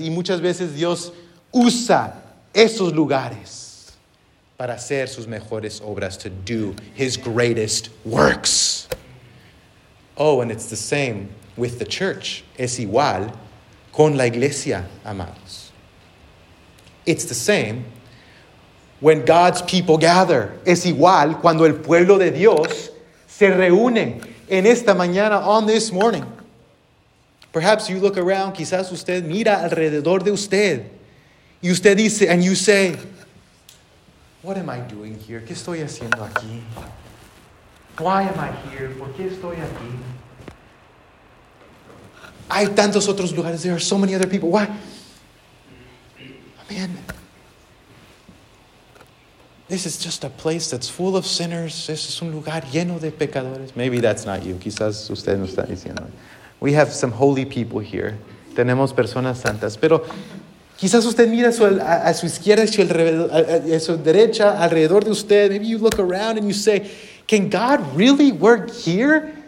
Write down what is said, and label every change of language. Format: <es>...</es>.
<es>Y muchas veces Dios usa esos lugares para hacer sus mejores obras,</es> <en>to do his greatest works. Oh, and it's the same with the church.</en> <es>Es igual con la iglesia, amados.</es> <en>It's the same when God's people gather.</en> <es>Es igual cuando el pueblo de Dios se reúne. En esta mañana,</es> <en>on this morning, perhaps you look around,</en> <es>quizás usted mira alrededor de usted, y usted dice,</es> <en>and you say, what am I doing here?</en> <es>¿Qué estoy haciendo aquí?</es> <en>Why am I here?</en> <es>¿Por qué estoy aquí? Hay tantos otros lugares,</es> <en>there are so many other people. Why? Man, this is just a place that's full of sinners. This is</en> <es>un lugar lleno de pecadores.</es> <en>Maybe that's not you.</en> <es>Quizás usted no está diciendo.</es> <en>We have some holy people here.</en> <es>Tenemos personas santas. Pero quizás usted mira a su izquierda, a su derecha, alrededor de usted.</es> <en>Maybe you look around and you say, can God really work here?</en>